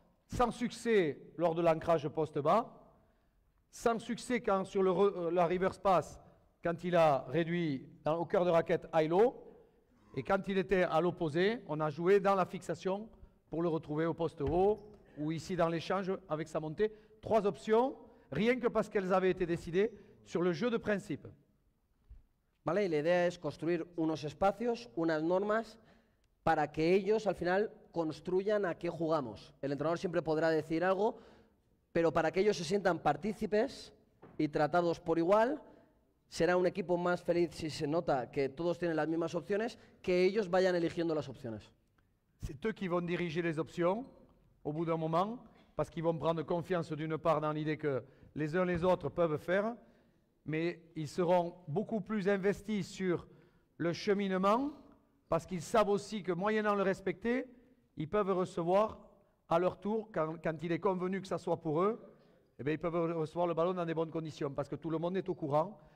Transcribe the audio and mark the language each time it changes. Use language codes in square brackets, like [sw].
[fr] sans succès lors de l'ancrage poste bas, sans succès quand sur le reverse pass, quand il a réduit dans, au cœur de raquette high low, et quand il était à l'opposé, on a joué dans la fixation pour le retrouver au poste haut ou ici dans l'échange avec sa montée. Trois options, rien que parce qu'elles avaient été décidées sur le jeu de principe. [es] Vale, la idea es construir unos espacios, unas normas, para que ellos al final construyan a qué jugamos. El entrenador siempre podrá decir algo, pero para que ellos se sientan partícipes y tratados por igual, será un equipo más feliz si se nota que todos tienen las mismas opciones, que ellos vayan eligiendo las opciones. [fr] C'est eux qui vont diriger les options au bout d'un moment, parce qu'ils vont prendre confiance d'une part dans l'idée que les uns les autres peuvent faire, mais ils seront beaucoup plus investis sur le cheminement, parce qu'ils savent aussi que moyennant le respecter, ils peuvent recevoir à leur tour, quand il est convenu que ça soit pour eux, eh bien ils peuvent recevoir le ballon dans des bonnes conditions, parce que tout le monde est au courant.